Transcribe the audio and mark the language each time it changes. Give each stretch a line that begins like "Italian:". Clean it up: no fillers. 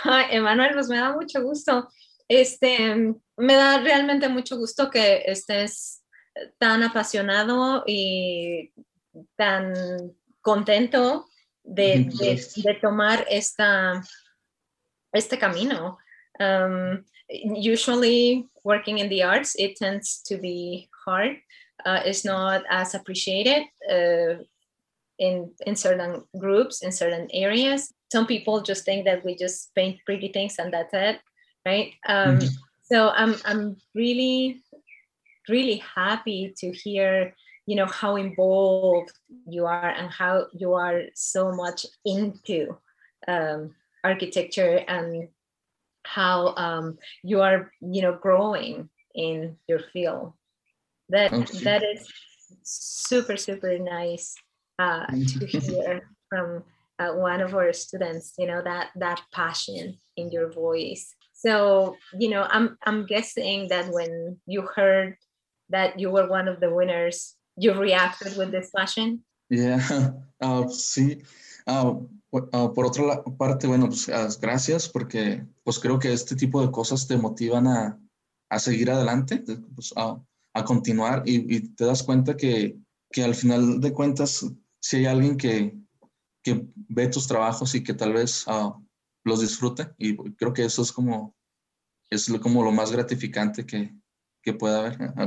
Spanish: Emanuel, pues me da mucho gusto. Me da realmente mucho gusto que estés tan apasionado y tan contento de tomar este camino.
English: Usually working in the arts, it tends to be hard. It's not as appreciated in certain groups, in certain areas. Some people just think that we just paint pretty things and that's it, right? So I'm really, really happy to hear, you know, how involved you are and how you are so much into architecture and how you are, you know, growing in your field. That is super, super nice to hear from one of our students, you know, that passion in your voice. So, you know, I'm guessing that when you heard that you were one of the winners, you reacted with this passion. Yeah, sí.
Spanish: Por otra parte, bueno, pues gracias, porque pues creo que este tipo de cosas te motivan a seguir adelante, pues, a continuar y te das cuenta que al final de cuentas, si hay alguien que ve tus trabajos y que tal vez los disfrute, y creo que eso es como lo más gratificante que pueda haber.